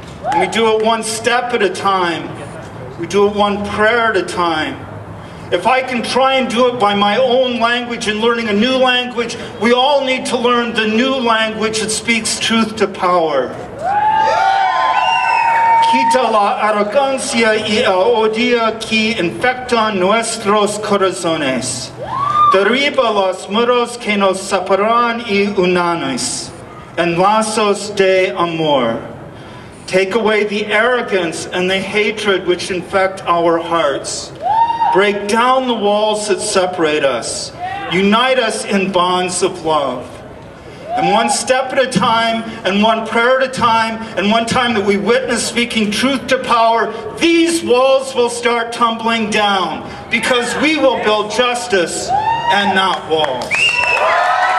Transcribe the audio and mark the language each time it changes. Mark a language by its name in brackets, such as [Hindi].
[English] And we do it one step at a time. We do it one prayer at a time. If I can try and do it by my own language and learning a new language, we all need to learn the new language that speaks truth to power. Yeah! [Spanish] quita la arrogancia y el odio que infectan nuestros corazones. Derriba los muros que nos separan y unanos en lazos de amor. [English] Take away the arrogance and the hatred which infect our hearts. Break down the walls that separate us. Unite us in bonds of love. And one step at a time, and one prayer at a time, and one time that we witness speaking truth to power, these walls will start tumbling down, because we will build justice and not walls.